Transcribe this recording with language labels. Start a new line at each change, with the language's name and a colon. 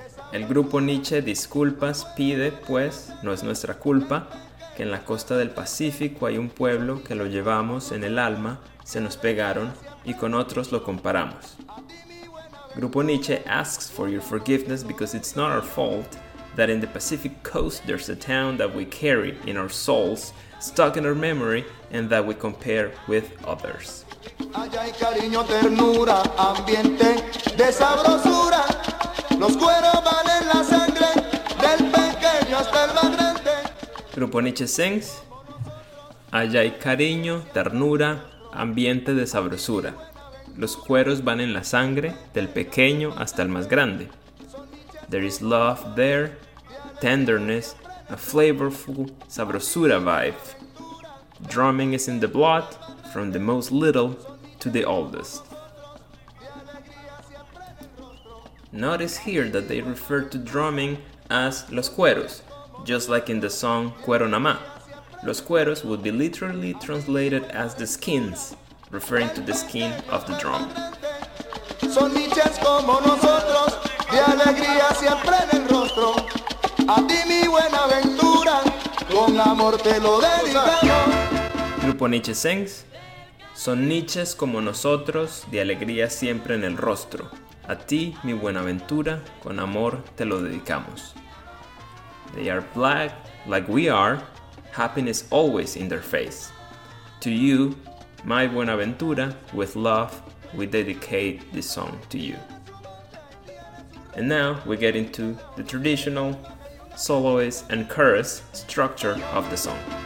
Spanish: El Grupo Niche disculpas pide, pues, no es nuestra culpa, que en la costa del Pacífico hay un pueblo que lo llevamos en el alma, se nos pegaron y con otros lo comparamos.
English: Grupo Niche asks for your forgiveness because it's not our fault that in the Pacific coast there's a town that we carry in our souls, stuck in our memory, and that we compare with others.
Spanish: Allá hay cariño, ternura, ambiente de sabrosura. Los cueros valen la sangre del pequeño hasta el más grande.
English: Grupo Niche sings.
Spanish: Allá hay cariño, ternura, ambiente de sabrosura. Los cueros van en la sangre, del pequeño hasta el más grande.
English: There is love there, tenderness, a flavorful sabrosura vibe. Drumming is in the blood, from the most little to the oldest. Notice here that they refer to drumming as los cueros, just like in the song Cuero Namá. Los cueros would be literally translated as the skins, referring to the skin of the drum.
Spanish: Son niches como nosotros, de alegría siempre en el rostro. A ti mi buena aventura, con amor te lo dedicamos.
English: Grupo Niche sings,
Spanish: son niches como nosotros, de alegría siempre en el rostro. A ti mi buena aventura, con amor te lo dedicamos.
English: They are black, like we are, happiness always in their face. To you, my Buenaventura, with love, we dedicate this song to you. And now we get into the traditional soloist and chorus structure of the song.